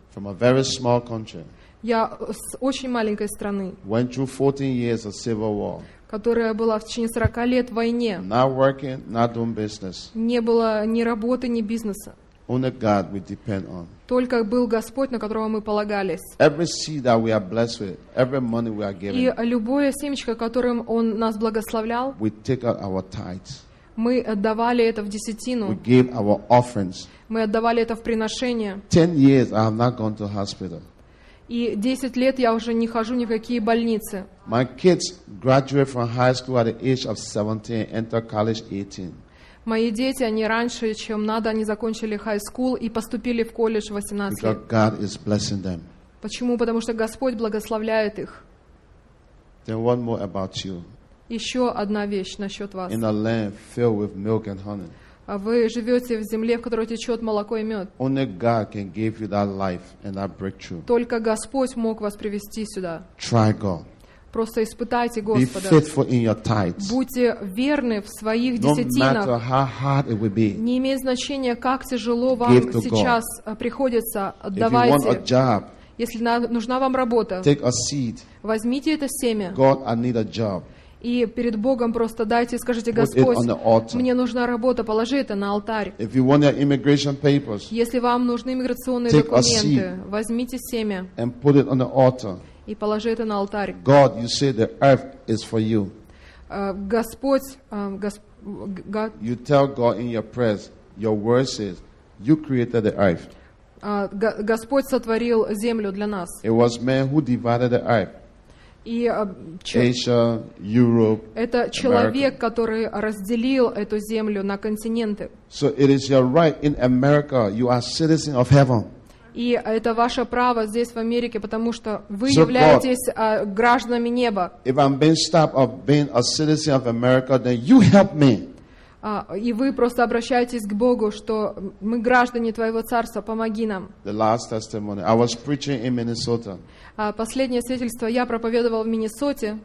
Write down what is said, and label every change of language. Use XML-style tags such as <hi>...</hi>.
<en>From a very small country.</en> <ru>Я с очень маленькой страны.</ru> <en>Went through 14 years of civil war.</en> <ru>которая была в течение 40 лет в войне.</ru> <en>Not working, not doing business.</en> <ru>Не было ни работы, ни бизнеса.</ru> <en>Only God we depend on.</en> <ru>Только был Господь, на которого мы полагались.</ru> <en>Every seed that we are blessed with, every money we are given.</en> <ru>И любое семечко, которым Он нас благословлял.</ru> <en>We take out our tithes.</en> <ru>Мы отдавали это в десятину.</ru> <en>We gave our offerings.</en> <ru>Мы отдавали это в приношение.</ru> <en>10 years I have not gone to hospital.</en> <ru>И 10 лет я уже не хожу ни в какие больницы.</ru> <en>My kids graduate from high school at the age of 17, enter college 18.</en> <ru>Мои дети, они раньше, чем надо, они закончили high school и поступили в колледж 18 лет.</ru> <en>Because God is blessing them.</en> <ru>Почему? Потому что Господь благословляет их.</ru> <en>Then one more about you.</en> <ru>Еще одна вещь насчет вас.</ru> <en>In a land filled with milk and honey.</en> <ru>Вы живете в земле, в которой течет молоко и мед.</ru> <en>Only God can give you that life and that breakthrough.</en> <ru>Только Господь мог вас привести сюда.</ru> <en>Try God.</en> <ru>Просто испытайте Господа.</ru> <en>Be faithful in your tithes.</en> <ru>Будьте верны в своих десятинах.</ru> <en>No matter how hard it will be.</en> <ru>Не имеет значения, как тяжело вам сейчас приходится. Отдавайте.</ru> <en>If you want a job,</en> <ru>если нужна вам работа,</ru> <en>take a seed.</en> <ru>Возьмите это семя.</ru> <en>God, I need a job.</en> <ru>И перед Богом просто дайте и скажите: Господь, мне нужна работа, положи это на алтарь.</ru> <en>If you want your immigration papers,</en> <ru>если вам нужны иммиграционные документы, возьмите семя</ru> <en>and put it on the altar.</en> <ru>И положи это на алтарь.</ru> <en>God, you say the earth is for you.</en> <ru>Господь,</ru> <en>you tell God in your prayers, your word says, you created the earth.</en> <ru>Господь сотворил землю для нас.</ru> <en>It was man who divided the earth.</en> <ru>И,</ru> <en>Asia, Europe,</en> <ru>это человек,</ru> <en>America.</en> <ru>Который разделил эту землю на континенты.</ru> <en>So it is your right in America, you are citizen of heaven.</en> <ru>И это ваше право здесь в Америке, потому что вы являетесь гражданами неба.</ru> <en>If I'm being stopped of being a citizen of America, then you help me.</en> <ru>И вы просто обращаетесь к Богу, что мы граждане твоего царства, помоги нам.</ru> <en>The last testimony. I was preaching in Minnesota.</en> <ru>Последнее свидетельство я проповедовал в Миннесоте.</ru>